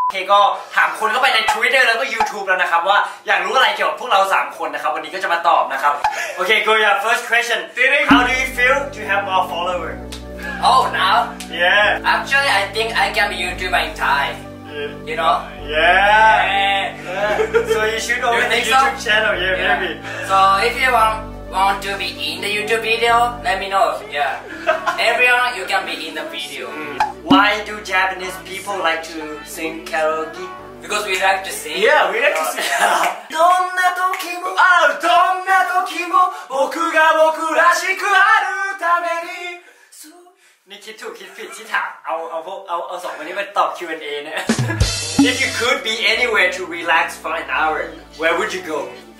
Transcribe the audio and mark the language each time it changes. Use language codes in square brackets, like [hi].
[th] ก็ถามคนเข้าไปใน Twitter แล้วก็ YouTube แล้วนะครับว่าอยากรู้อะไรเกี่ยวกับพวกเรา3คนนะครับวันนี้ก็จะมาตอบนะครับโอเค [en] go your first question how do you feel to have more followers oh now yeah actually I think I can be YouTuber in Thai you know yeah so you should open the YouTube channel maybe so if you want to be in the YouTube video let me know yeah everyone you can be in the video Why do Japanese people like to sing karaoke? Because we like to sing. Yeah, we like to sing. [ja] どんな時も、どんな時も、僕が僕らしくあるために。 [th] นี่คิดถูกคิดผิดที่ถามเอาสองคนนี้มาตอบ Q&A เนี่ย [en] If you could be anywhere to relax for an hour, where would you go?